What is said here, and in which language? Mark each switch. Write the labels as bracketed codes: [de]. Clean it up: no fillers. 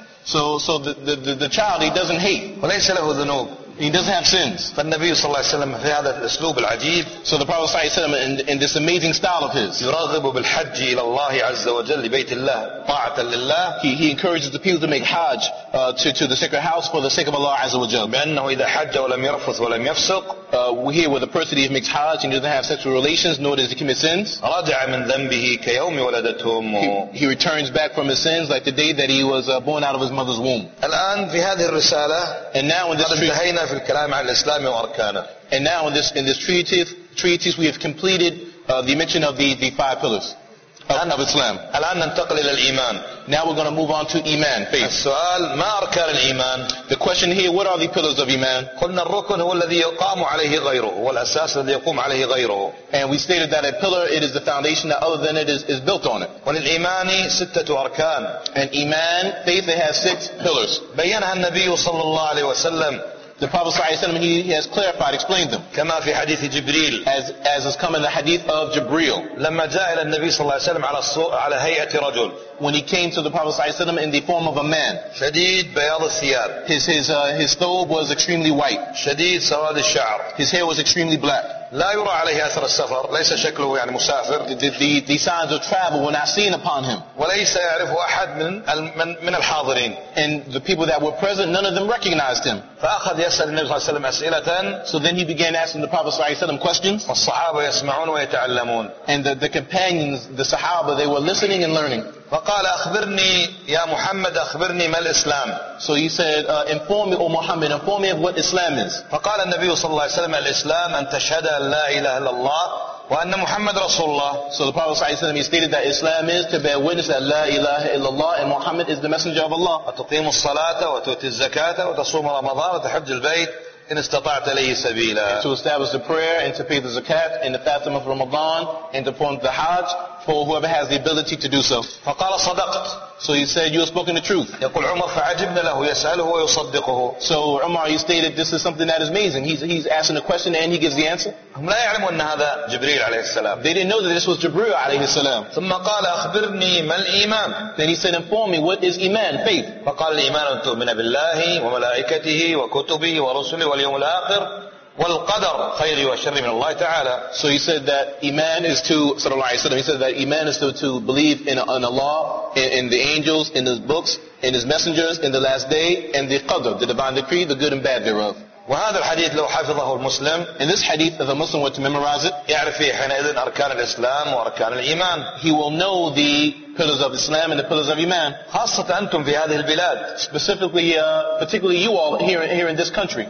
[en] So the child, he doesn't hate. [ar] وليس له ذنوب. [en] He doesn't have sins. [ar] فالنبي صلى الله عليه وسلم في هذا الأسلوب العجيب. [en] So the Prophet [ar] صلى الله عليه وسلم [en] in this amazing style of his. [ar] يرغب بالحج إلى الله عز وجل لبيت الله طاعة لله. [en] He encourages the people to make Hajj to the sacred house for the sake of Allah عز وجل. [ar] بأنه إذا حج ولم يرفض ولم يفسق. [en] We hear with a person who makes Hajj and doesn't have sexual relations, nor does he commit sins. [ar] رجع من ذنبه كيوم ولدته أمه. [en] He returns back from his sins like the day that he was born out of his mother's womb. [ar] الآن في هذه الرسالة. [en] And now in this treatise. [ar] في الكلام على الإسلام وأركانه. [en] And now in this treatise we have completed the mention of the five pillars of Islam. [ar] الآن ننتقل إلى الإيمان. [en] Now we're going to move on to إيمان, faith. [ar] السؤال ما أركان الإيمان. [en] The question here, what are the pillars of إيمان? [ar] قلنا الركن هو الذي يقام عليه غيره والأساس الذي يقوم عليه غيره. [en] And we stated that a pillar, it is the foundation that other than it is built on it. [ar] وللإيمان ستة أركان. [en] And إيمان, faith, it has six pillars. [ar] بينها النبي صلى الله عليه وسلم [en] The Prophet [ar] sallallahu alaihi wasallam, [en] he has clarified, explained them. [ar] كما في حديث جبريل. [en] As has come in the hadith of Jibril. [ar] لما جاء إلى النبي صلى الله عليه وسلم على هيئة رجل. [en] When he came to the Prophet [ar] sallallahu alaihi wasallam [en] in the form of a man. [ar] شديد بياض الثياب. [en] His thobe was extremely white. [ar] شديد سواد الشعر. [en] His hair was extremely black. [ar] لا يرى عليه أثر السفر. ليس شكله يعني مسافر. [en] The signs of travel were not seen upon him. [ar] وليس يعرفه أحد من الحاضرين. [en] And the people that were present, none of them recognized him. [ar] فأخذ يسأل النبي صلى الله عليه وسلم أسئلة. [en] So then he began asking the Prophet [ar] صلى الله عليه وسلم [en] questions. [ar] والصحابة يسمعون ويتعلمون. [en] And the companions, the Sahaba, they were listening and learning. [ar] فقال أخبرني يا محمد أخبرني ما الإسلام. [en] So he said, inform me, O Muhammad, inform me of what Islam is. [ar] فقال النبي صلى الله عليه وسلم الإسلام أن تشهد أن لا إله إلا الله وأن محمد رسول الله. [en] So the Prophet [ar] صلى الله عليه وسلم, [en] he stated that Islam is to bear witness that [ar] لا إله إلا الله [en] and Muhammad is the messenger of Allah. [ar] وتقيم الصلاة وتؤتي الزكاة وتصوم رمضان وتحج البيت إن استطعت إليه سبيلا. [en] To establish the prayer and to pay the zakat and the fasting of Ramadan and to perform the Hajj for whoever has the ability to do so. [ar] فقال صدقت. [en] So he said, you have spoken the truth. [ar] يقول عمر فعجبنا له يسأله ويصدقه. [en] So Umar, he stated, this is something that is amazing. He's asking a question and he gives the answer. [ar] هم لا يعلموا أن هذا جبريل عليه السلام. [en] They didn't know that this was جبريل [ar] عليه السلام. ثم قال أخبرني ما الإيمان. [en] Then he said, inform me, what is إيمان, faith. [ar] فقال الإيمان أن تؤمن بالله وملائكته وكتبه ورسله واليوم الآخر والقدر خير وشر من الله تعالى. [en] So he said that iman is to, [ar] صلى الله عليه وسلم, [en] he said that iman is to believe in Allah, in the angels, in his books, in his messengers, in the last day, and the qadr, the divine decree, the good and bad thereof. [ar] وهذا الحديث لو حفظه المسلم, [en] in this hadith, if a Muslim were to memorize it, [ar] يعرف فيه حينئذ أركان الإسلام وأركان الإيمان. [en] He will know the pillars of Islam and the pillars of Iman. [ar] خاصة أنتم في هذه البلاد. [en] Specifically, particularly you all here in this country.